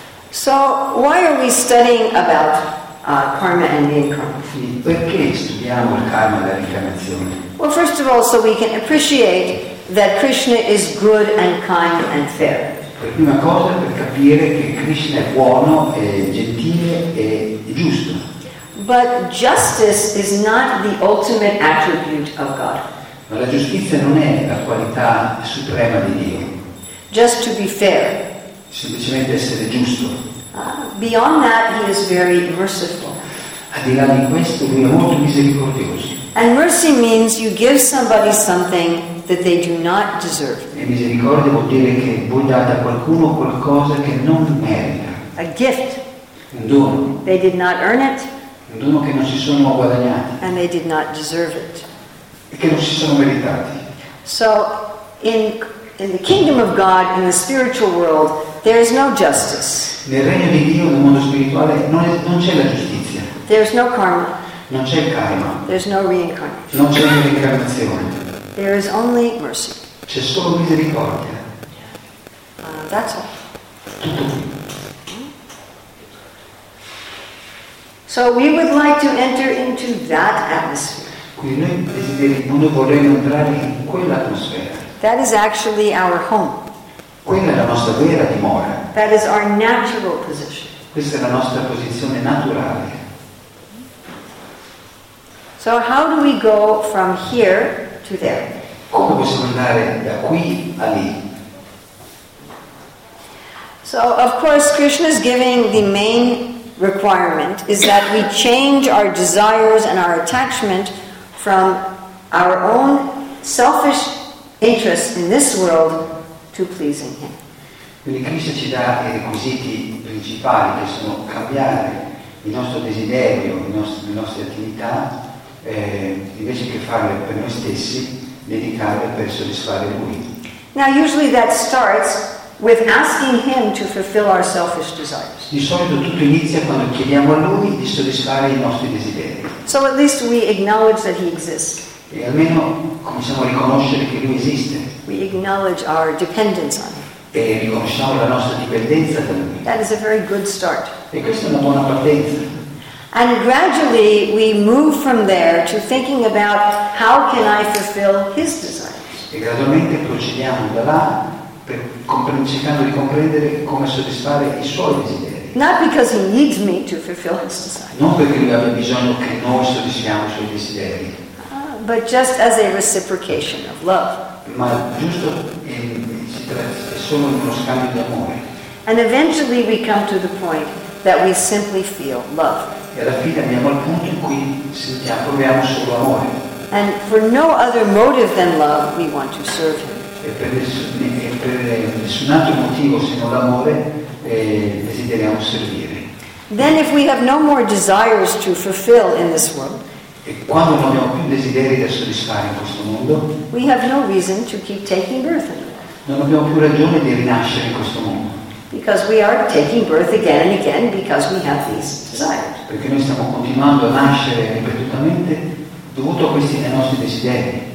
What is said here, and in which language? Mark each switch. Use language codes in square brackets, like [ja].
[en] So why are we studying about karma and reincarnation? [it] Perché studiamo il karma e la reincarnazione? [en] Well, first of all, so we can appreciate that Krishna is good and kind and fair. [it] Per prima cosa, per capire che Krishna è buono, è gentile e giusto. [en] But justice is not the ultimate attribute of God. [it] Ma la giustizia non è la qualità suprema di Dio. [en] Just to be fair. [it] Semplicemente essere giusto. [en] Beyond that, he is very merciful. [it] Al di là di questo, lui è molto misericordioso. [en] And mercy means you give somebody something that they do not deserve. [it] E misericordia vuol dire che voi date a qualcuno qualcosa che non merita. [en] A gift. [it] Un dono. [en] They did not earn it. [it] Un dono che non si sono guadagnati. [en] And they did not deserve it. [it] E che non si sono meritati. [en] So, in the kingdom of God, in the spiritual world, there is no justice. [it] Nel regno di Dio, nel mondo spirituale, non c'è la giustizia. [en] There's no karma. [it] Non c'è karma. [en] There's no reincarnation. [it] Non c'è reincarnazione. [en] There is only mercy. [it] C'è solo misericordia. [en] That's all. [it] Tutto qui. [en] So we would like to enter into that atmosphere. [it] Quindi noi desideriamo, noi vorremmo entrare in quella atmosfera. [en] That is actually our home. [it] Quella è la nostra vera dimora. [en] That is our natural position. [it] Questa è la nostra posizione naturale. [en] So how do we go from here to there? [it] Come possiamo andare da qui a lì? [en] So of course Krishna is giving the main requirement is that we change our desires and our attachment from our own selfish interests in this world to pleasing Him. [it] Quindi Krishna ci dà i requisiti principali che sono cambiare il nostro desiderio, le nostre attività, invece che farle per noi stessi, dedicarle per soddisfare Lui. [en] Now usually that starts with asking Him to fulfill our selfish desires. [it] Di solito tutto inizia quando chiediamo a Lui di soddisfare i nostri desideri. [en] So at least we acknowledge that He exists. [it] E almeno cominciamo a riconoscere che Lui esiste. [en] We acknowledge our dependence on Him. [it] E riconosciamo la nostra dipendenza da Lui. [en] That is a very good start. [it] E questa è una buona partenza. [en] And gradually we move from there to thinking about how can I fulfill His desires. [it] E gradualmente procediamo da là cercando di comprendere come soddisfare i suoi desideri. [en] Not because He needs me to fulfill His desires. [it] Non perché lui abbia bisogno che noi soddisfiamo i suoi desideri. [en] But just as a reciprocation of love. [it] Ma giusto si tratta solo di uno scambio di amore. [en] And eventually we come to the point that we simply feel love. [it] E alla fine andiamo al punto in cui sentiamo, proviamo solo amore. [en] And for no other motive than love, we want to serve Him. [it] E per nessun altro motivo se non l'amore, desideriamo servire. [en] Then if we have no more desires to fulfill in this world, [it] e quando non abbiamo più desideri da soddisfare in questo mondo, [en] we have no reason to keep taking birth anymore. [it] Non abbiamo più ragione di rinascere in questo mondo. [en] Because we are taking birth again and again because we have these desires. [it] Perché noi stiamo continuando a nascere ripetutamente dovuto a questi nostri desideri.